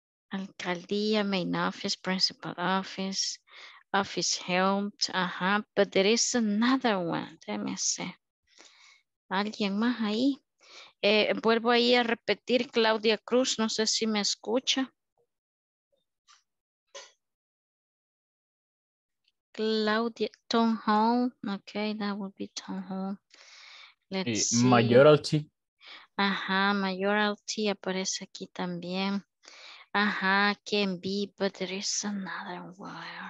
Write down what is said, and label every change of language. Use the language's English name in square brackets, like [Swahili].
[English] Alcaldía, main office, principal office, office helped, ajá, but there is another one, [Spanish] déjeme ver. ¿Alguien más ahí? Vuelvo ahí a repetir, Claudia Cruz, no sé si me escucha. [English] Claudia, town hall, okay, that would be town hall. Let's see. Mayoralty. [Spanish] Ajá, mayoralty aparece aquí también. [English] Ajá, can be, but there is another word.